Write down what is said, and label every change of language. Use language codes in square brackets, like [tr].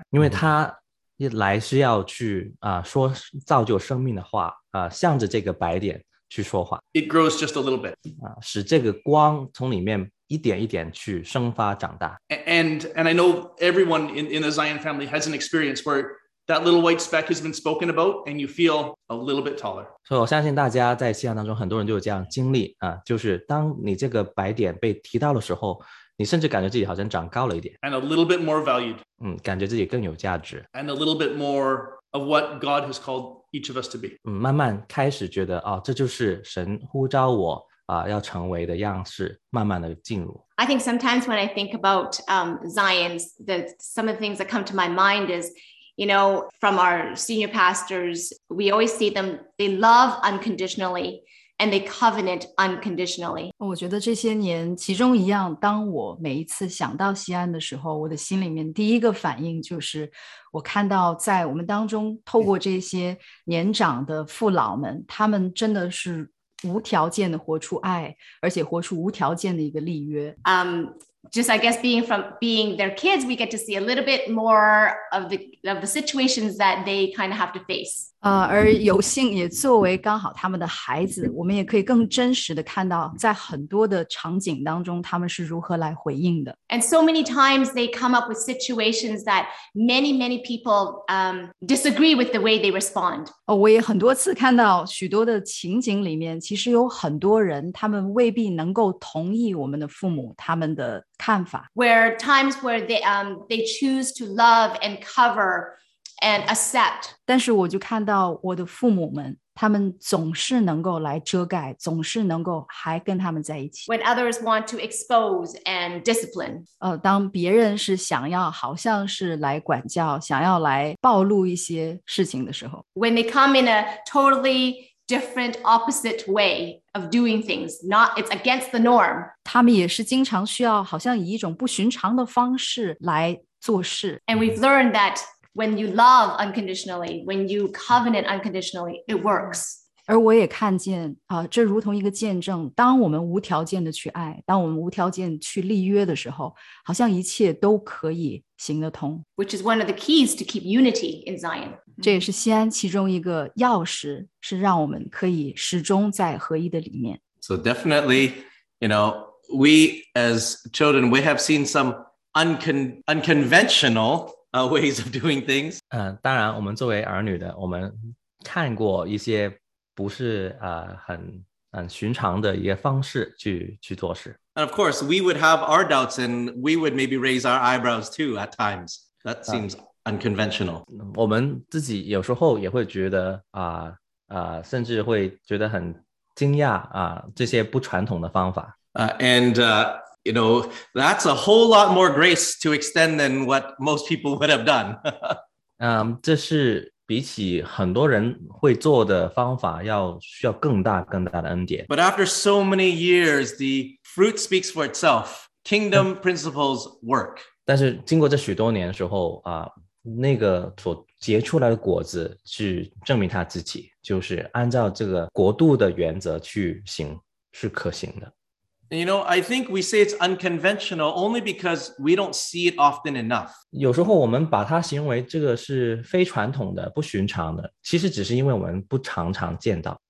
[zh] 因为他来是要去说造就生命的话向着这个白点去说话 [en] it grows just a little bit [zh] 使这个光从里面一点一点去生发长大 [en] and I know everyone in the Zion family has an experience where that little white speck has been spoken about and you feel a little bit taller [zh] 所以我相信大家在西洋当中很多人都有这样经历就是当你这个白点被提到的时候你甚至感觉自己好像长高了一点 [en] And a little bit more valued [zh] 感觉自己更有价值 [en] And a little bit more of what God has called each of us to be [zh] 慢慢开始觉得这就是神呼召我要成为的样式慢慢的进入 [en] I think sometimes when I think about Zion's some of the things that come to my mind is you know from our senior pastors we always see them they love unconditionallyAnd they covenant unconditionally. [zh] 我觉得这些年其中一样当我每一次想到西安的时候我的心里面第一个反应就是我看到在我们当中透过这些年长的父老们他们真的是无条件的活出爱而且活出无条件的一个立约。 [en] just I guess being from being their kids, we get to see a little bit more of the situations that they kind of have to face. [zh] 而有幸也作为刚好他们的孩子，我们也可以更真实的看到在很多的场景当中他们是如何来回应的。 [en] And so many times they come up with situations that many, many people disagree with the way they respond. [zh] 我也很多次看到许多的情景里面，其实有很多人他们未必能够同意我们的父母他们的看法。 [en] Where times where they choose to love and cover and accept. [zh] 但是我就看到我的父母们，他们总是能够来遮盖，总是能够还跟他们在一起。 [en] When others want to expose and discipline. [zh] 当别人是想要好像是来管教，想要来暴露一些事情的时候。 [en] When they come in a totally different opposite way of doing things, not it's against the norm. [zh] 他们也是经常需要好像以一种不寻常的方式来做事。 [en] And we've learned thatWhen you love unconditionally, when you covenant unconditionally, it works. [zh] 而我也看见，这如同一个见证，当我们无条件的去爱，当我们无条件去立约的时候，好像一切都可以行得通。 [en] Which is one of the keys to keep unity in Zion. [zh] 这也是西安其中一个钥匙，是让我们可以始终在合一的里面。 [en] So definitely, you know, we as children, we have seen some unconventional... ways of doing things. [zh] 当然我们作为儿女的我们看过一些不是很寻常的一个方式 去做事。 [en] And of course, we would have our doubts and we would maybe raise our eyebrows too at times. That seems unconventional. [zh] 我们自己有时候也会觉得甚至会觉得很惊讶这些不传统的方法。 [en] You know, that's a whole lot more grace to extend than what most people would have done. [zh] 这是比起很多人会做的方法要需要更大更大的恩典。 [en] But after so many years, the fruit speaks for itself. Kingdom principles work. [zh] 但是经过这许多年的时候那个所结出来的果子去证明他自己，就是按照这个国度的原则去行，是可行的。 [en] You know, I think we say it's unconventional only because we don't see it often enough. [zh] 有时候我们把它形容为这个是非传统的、不寻常的，其实只是因为我们不常常见到。